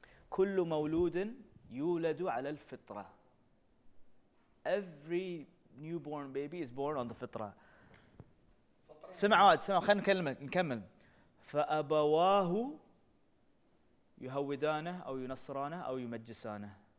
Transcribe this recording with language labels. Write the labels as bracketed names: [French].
[Arabic] كل مولود يولد على الفطرة. [English] Every newborn baby is born on the فطرة. [Arabic] سمع خلينا نكمل. فأبواه يهودانه أو ينصرانه أو يمجسانه.